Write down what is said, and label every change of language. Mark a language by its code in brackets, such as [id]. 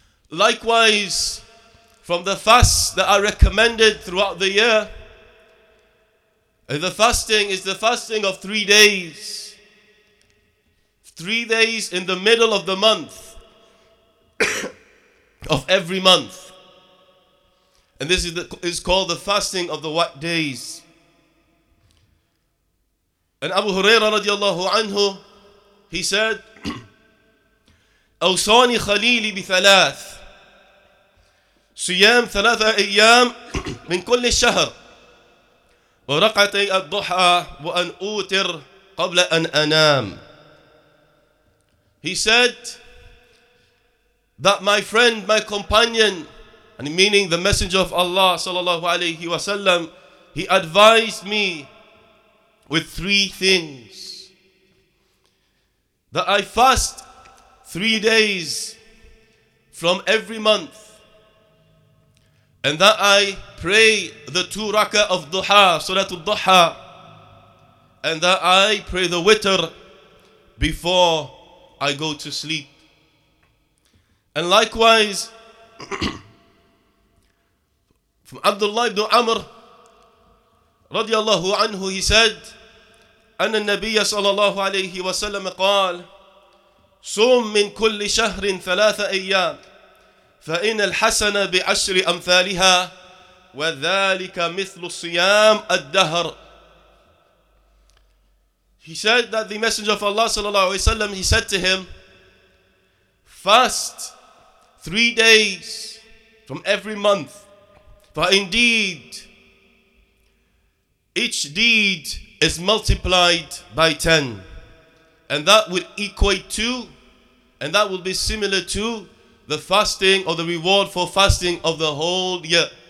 [en] Likewise, from the fasts that are recommended throughout the year, the fasting is the fasting of 3 days. 3 days in the middle of the month, of every month. And this is called the fasting of the what days? And Abu Huraira radiallahu anhu, he said, [ar] أوصاني خليلي بثلاث صيام ثلاثة أيام من كل شهر وركعتي الضحى وأن أوتر قبل أن أنام. [en] He said that my friend, my companion, and meaning the messenger of Allah sallallahu alayhi wa sallam, he advised me with 3 things. That I fast 3 days from every month, and that I pray the 2 rak'ah of duha, suratul duha, and that I pray the witr before I go to sleep. And likewise, from Abdullah ibn Amr radiallahu anhu, he said, [ar] أن النبي صلى الله عليه وسلم قال صوم من كل شهر 3 أيام فإن الحسن بعشر أمثالها وذلك مثل صيام الدهر. [en] He said that the Messenger of Allah [ar] صلى الله عليه وسلم, [en] he said to him, fast 3 days from every month, for indeed each deed is multiplied by 10, and that would equate to, and that will be similar to the fasting or the reward for fasting of the whole year.